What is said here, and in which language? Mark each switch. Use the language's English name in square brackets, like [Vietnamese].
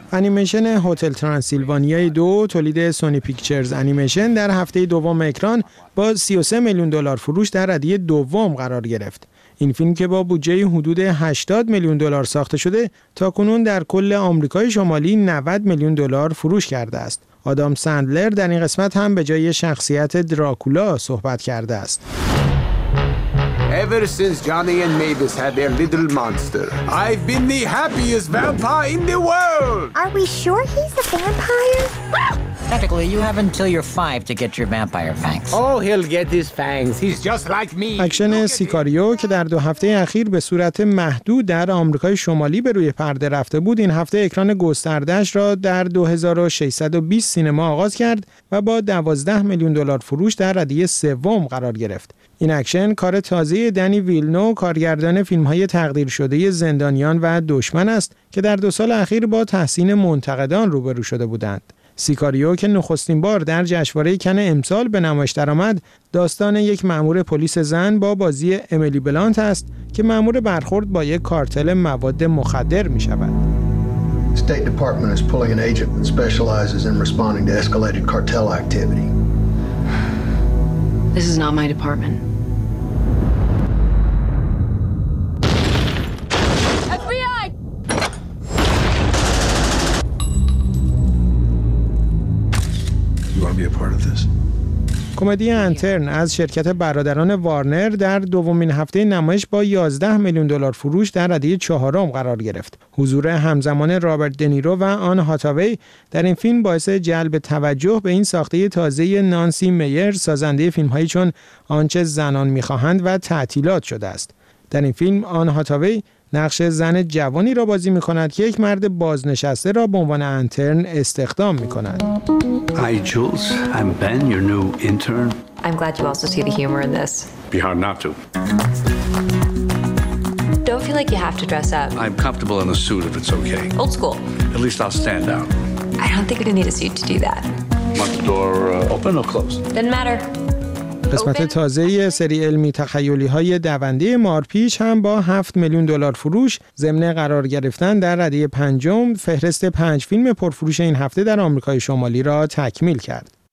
[Persian] انیمیشن هتل ترانسیلوانیای 2 تولید سونی پیکچرز انیمیشن در هفته دوم اکران با 33 میلیون دلار فروش در ردیه دوم قرار گرفت. این فیلم که با بودجه حدود 80 میلیون دلار ساخته شده تاکنون در کل آمریکای شمالی 90 میلیون دلار فروش کرده است. آدام سندلر در این قسمت هم به جای شخصیت دراکولا صحبت کرده است. [English] Ever since Johnny and Mavis had their little monster, I've been the happiest vampire in the world. Are we sure he's a vampire? Technically, you have until you're 5 to get your vampire fangs. Oh, he'll get his fangs. He's just like me. [Persian] اکشن سیکاریو که در دو هفته اخیر به صورت محدود در آمریکای شمالی به روی پرده رفته بود، این هفته اکران گسترده‌اش را در 2620 سینما آغاز کرد و با 12 میلیون دلار فروش در ردیه سوم قرار گرفت. این اکشن کار تازه دنی ویلنو، کارگردان فیلم‌های تقدیر شده زندانیان و دشمن است که در دو سال اخیر با تحسین منتقدان روبرو شده بودند. سیکاریو که نخستین بار در جشنواره کن امسال به نمایش درآمد، داستان یک مأمور پلیس زن با بازی امیلی بلانت است که مأمور برخورد با یک کارتل مواد مخدر می‌شود. [English] State Department is pulling an agent that specializes in responding to escalated cartel activity. This is not my department. [Persian] کمدی انترن از شرکت برادران وارنر در دومین هفته نمایش با 11 میلیون دلار فروش در ردیه چهارم قرار گرفت. حضور همزمان رابرت دنیرو و آن هاتاوی در این فیلم باعث جلب توجه به این ساخته تازه نانسی میر، سازنده فیلم‌هایی چون آنچه زنان می‌خواهند و تعطیلات شده است. در این فیلم آن هاتاوی نقش زن جوانی را بازی می‌کند که یک مرد بازنشسته را به عنوان انترن استخدام می‌کند. [English] Hi Jules, I'm Ben, your new intern. I'm glad you also see the humor in this. Be hard not to. Don't feel like you have to dress up. I'm comfortable in a suit if it's okay. Old school. At least I'll stand out. I don't think you need a suit to do that. Want the door open or closed? Doesn't matter. [Persian] قسمت تازه سری علمی تخیلی های دونده مارپیچ هم با 7 میلیون دلار فروش ضمن قرار گرفتن در رده پنجم فهرست 5 فیلم پرفروش این هفته در آمریکای شمالی را تکمیل کرد.